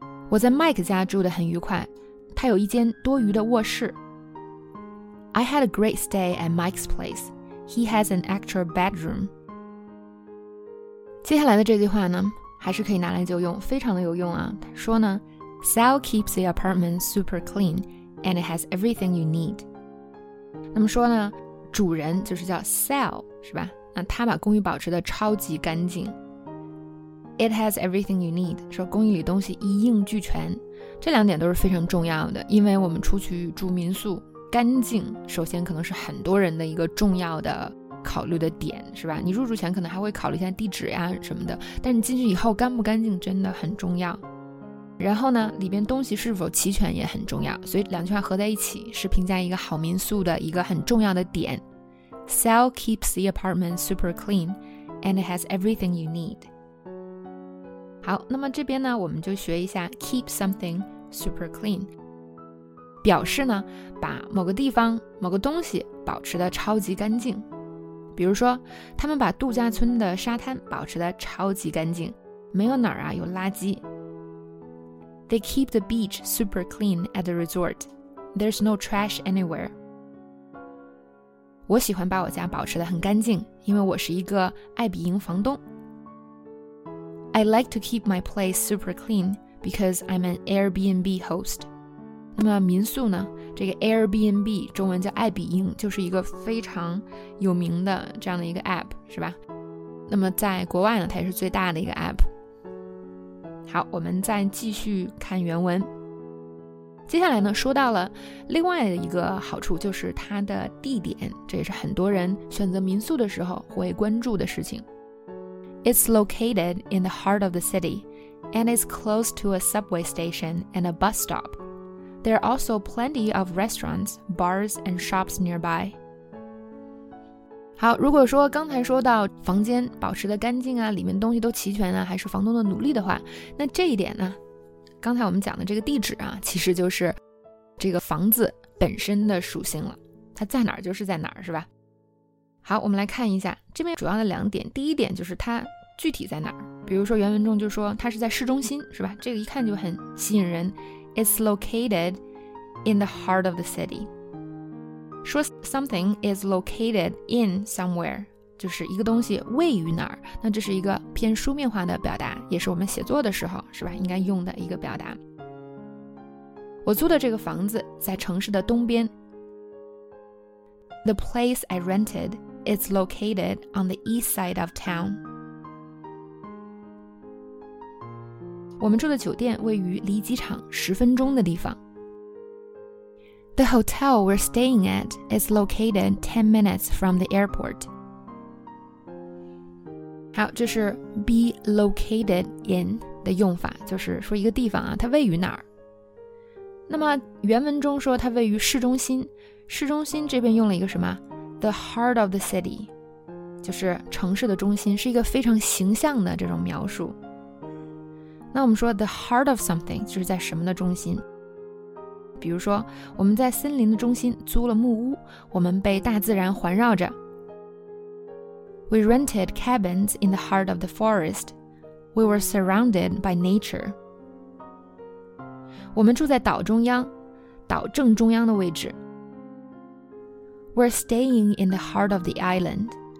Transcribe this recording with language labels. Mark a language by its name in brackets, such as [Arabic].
[Chinese] 我在 Mike 家住得很愉快，他有一间多余的卧室。 [English] I had a great stay at Mike's place. He has an extra bedroom. [Chinese] 接下来的这句话呢，还是可以拿来就用，非常的有用啊。他说呢 [English] ，Sal keeps the apartment super clean, and it has everything you need. [Chinese] 那么说呢，主人就是叫 Sal 是吧？那他把公寓保持的超级干净。 [English] It has everything you need. [Chinese] 说公寓里东西一应俱全，这两点都是非常重要的，因为我们出去住民宿。干净首先可能是很多人的一个重要的考虑的点，是吧？你入住前可能还会考虑一下地址呀什么的，但你进去以后干不干净真的很重要。然后呢，里边东西是否齐全也很重要，所以两句话合在一起是评价一个好民宿的一个很重要的点。 [English] Sal keeps the apartment super clean and it has everything you need. [Chinese] 好，那么这边呢，我们就学一下 [English] keep something super clean， [Chinese] 表示呢，把某个地方、某个东西保持得超级干净。比如说，他们把度假村的沙滩保持得超级干净，没有哪儿啊有垃圾。 [English] They keep the beach super clean at the resort. There's no trash anywhere. [Chinese] 我喜欢把我家保持得很干净，因为我是一个爱彼迎房东。 [English] I like to keep my place super clean because I'm an Airbnb host. [Chinese] 那么民宿呢，这个 Airbnb 中文叫爱彼迎，就是一个非常有名的这样的一个 app， 是吧？那么在国外呢，它也是最大的一个 app。好，我们再继续看原文。接下来呢，说到了另外的一个好处，就是它的地点，这也是很多人选择民宿的时候会关注的事情。 [English] It's located in the heart of the city and is close to a subway station and a bus stopThere are also plenty of restaurants, bars, and shops nearby. [Chinese] 好，如果说刚才说到房间保持的干净啊，里面东西都齐全啊，还是房东的努力的话，那这一点呢，刚才我们讲的这个地址啊，其实就是这个房子本身的属性了。它在哪儿就是在哪儿，是吧？好，我们来看一下这边主要的两点。第一点就是它具体在哪儿，比如说原文中就说它是在市中心，是吧？这个一看就很吸引人。 [English] It's located in the heart of the city. [Chinese] 说 [English] something is located in somewhere, [Chinese] 就是一个东西位于哪儿。那这是一个偏书面化的表达，也是我们写作的时候，是吧，应该用的一个表达。我租的这个房子在城市的东边。 [English] The place I rented is located on the east side of town. [Chinese] 我们住的酒店位于离机场十分钟的地方。 [English] The hotel we're staying at is located 10 minutes from the airport. [Chinese] 好，这是 be located in 的用法，就是说一个地方啊，它位于哪儿。那么原文中说它位于市中心，市中心这边用了一个什么 ？ [English] The heart of the city， [Chinese] 就是城市的中心，是一个非常形象的这种描述。那我们说 [English] the heart of something [Chinese] 就是在什么的中心，比如说我们在森林的中心租了木屋，我们被大自然环绕着。 [English] We rented cabins in the heart of the forest. We were surrounded by nature. [Chinese] 我们住在岛中央，岛正中央的位置。 [English] We're staying in the heart of the island.